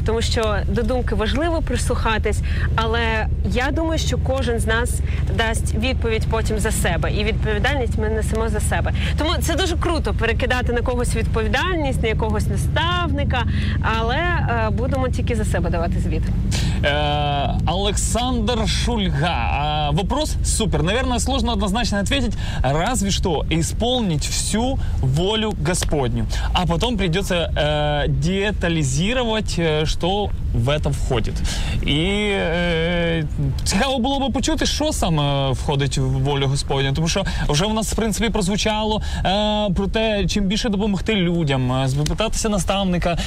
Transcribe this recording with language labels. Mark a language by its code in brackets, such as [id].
[uk] Тому що до думки важливо прислухатись, але я думаю, що кожен з нас дасть відповідь потім за себе. І відповідальність ми несемо за себе. Тому це дуже круто перекидати на когось відповідальність, на якогось наставника, але будемо тільки за себе давати звіт. [ru] Александр Шульга. Вопрос супер. Наверное, сложно однозначно ответить. Разве что исполнить всю волю Господню. А потом придется детализировать, что в это входит. [uk] И цікаво було би почути, що саме входить в волю Господню. Тому що вже у нас, в принципі, прозвучало про те, чим більше допомогти людям, запитатися наставника.